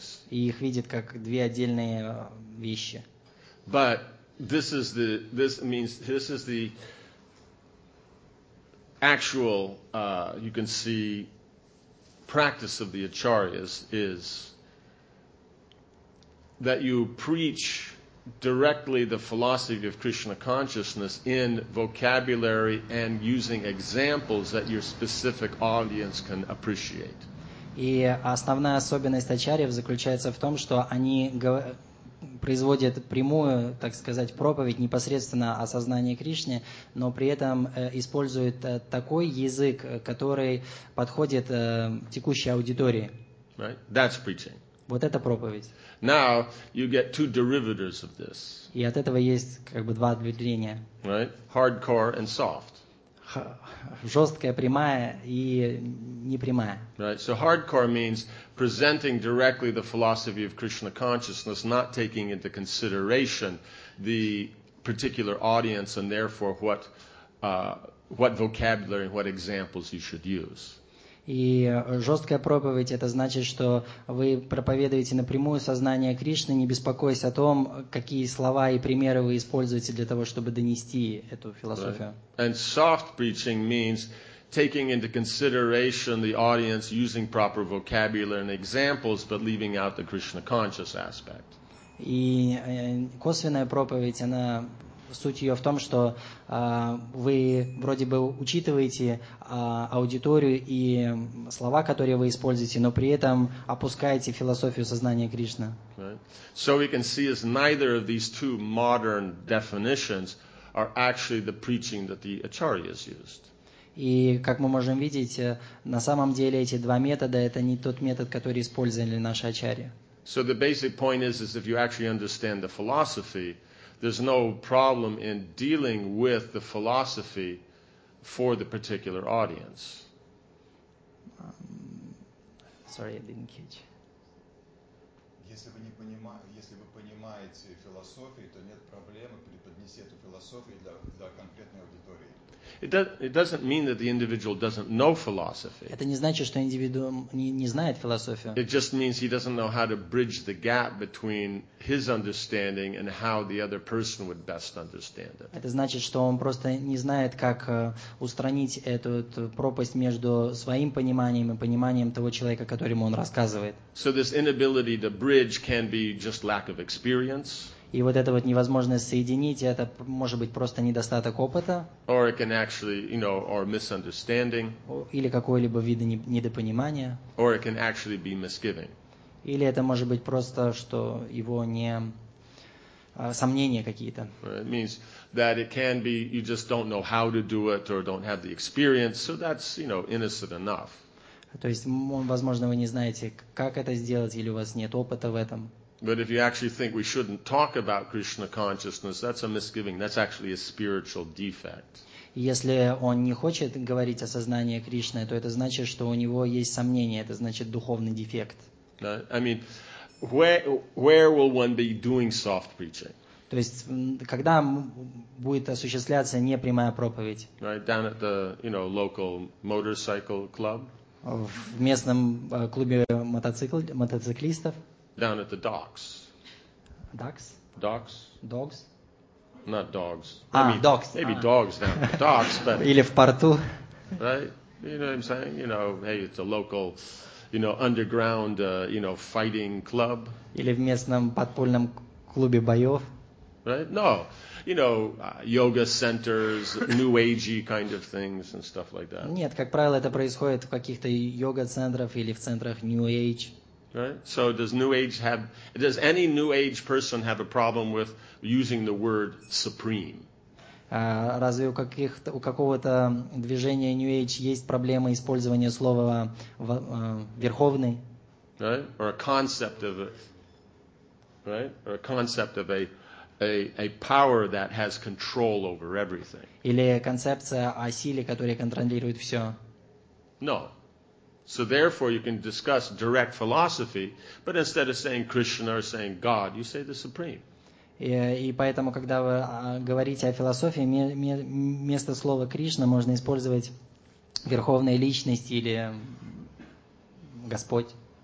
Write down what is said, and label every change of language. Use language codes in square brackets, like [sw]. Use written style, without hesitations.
[ru] И их видят как две отдельные вещи. [en] But this is the this means this is the actual you can see practice of the acharyas is that you preach directly the philosophy of Krishna consciousness in vocabulary and using examples that your specific audience can appreciate. [ru] И основная особенность ачарьев заключается в том, что они производят прямую, так сказать, проповедь непосредственно о сознании Кришны, но при этом используют такой язык, который подходит текущей аудитории. [en] Right? That's preaching. [ru] Вот это проповедь. [en] Now you get two derivatives of this. [ru] И от этого есть как бы два ответвления. [en] Right? Hardcore and soft. [ru] Жесткая прямая и непрямая. [en] Right. So hardcore means presenting directly the philosophy of Krishna consciousness, not taking into consideration the particular audience and therefore what vocabulary and what examples you should use. [ru] И жесткая проповедь – это значит, что вы проповедуете напрямую сознание Кришны, не беспокоясь о том, какие слова и примеры вы используете для того, чтобы донести эту философию. [en] Right. And soft preaching means taking into consideration the audience, using proper vocabulary and examples, but leaving out the Krishna conscious aspect. [ru] И косвенная проповедь, она… Суть ее в том, что вы вроде бы учитываете аудиторию и слова, которые вы используете, но при этом опускаете философию сознания Кришны. [en] Right. So we can see is neither of these two modern definitions are actually the preaching that the acharyas used. [ru] И как мы можем видеть, на самом деле эти два метода это не тот метод, который использовали наши ачарьи. [en] So the basic point is if you actually understand the philosophy, there's no problem in dealing with the philosophy for the particular audience. Sorry, I didn't catch. [ru] Если вы не понимаете, если вы понимаете философию, то нет проблемы преподнести эту философию для конкретной аудитории. [en] It doesn't mean that the individual doesn't know philosophy. [ru] Это не значит, что индивидуум не знает философию. [en] It just means he doesn't know how to bridge the gap between his understanding and how the other person would best understand it. [ru] Это значит, что он просто не знает, как устранить эту пропасть между своим пониманием и пониманием того человека, которому он рассказывает. [en] So this inability to bridge can be just lack of experience. [ru] И вот это вот невозможность соединить, это может быть просто недостаток опыта. [en] Or it can actually, you know, or misunderstanding. [ru] Или какое-либо виды недопонимания. [en] Or it can actually be misgiving. [ru] Или это может быть просто, что его не сомнения какие-то. [en] It means that it can be, you just don't know how to do it or don't have the experience, so that's, you know, innocent enough. [ru] То есть, возможно, вы не знаете, как это сделать, или у вас нет опыта в этом. [en] But if you actually think we shouldn't talk about Krishna consciousness, that's a misgiving. That's actually a spiritual defect. [ru] Если он не хочет говорить о сознании Кришны, то это значит, что у него есть сомнения, это значит духовный дефект. [en] I mean, where will one be doing soft preaching? [ru] То есть, когда будет осуществляться непрямая проповедь? [en] Right, down at the, you know, local motorcycle club. [ru] В местном клубе мотоциклистов. [en] Down at the docks. Docks? Docks. Dogs? Not dogs. А, maybe, dogs. Maybe dogs down at the docks, but. [ru] Или в порту. [en] Right? You know what I'm saying? You know, hey, it's a local, you know, underground, you know, fighting club. [ru] Или в местном подпольном клубе боев. [en] Right? No. You know, yoga centers, new agey kind of things and stuff like that. [ru] Нет, как правило, это происходит в каких-то йога-центрах или в центрах new age. [en] Right? So does new age have, does any new age person have a problem with using the word supreme? [ru] Разве у какого-то движения new age есть проблема использования слова верховный? [en] Right? Or a concept of a, right? Or a concept of a power that has control over everything. [ru] Или концепция о силе, которая контролирует все. [en] No. So therefore you can discuss direct philosophy, but instead of saying Krishna or saying God, you say the Supreme. [ru] И поэтому, когда вы говорите о философии, вместо слова Кришна можно использовать верховная личность или Господь.